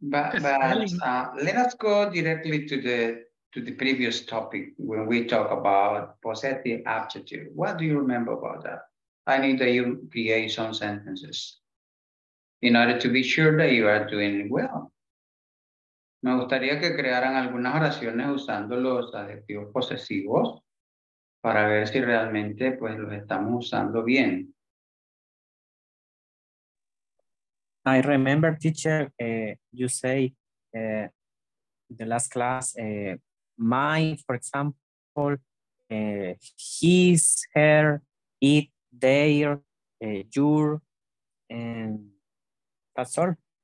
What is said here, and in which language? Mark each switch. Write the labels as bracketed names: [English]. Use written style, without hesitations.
[English] Let us go directly to the previous topic when we talk about possessive adjective. What do you remember about that? I need that you create some sentences in order to be sure that you are doing well. [Spanish] Me gustaría que crearan algunas oraciones usando los adjetivos posesivos para ver si realmente pues los estamos usando bien. [English] I remember, teacher, you say the last class, my, for example, his, her, it, their, your, and that's all.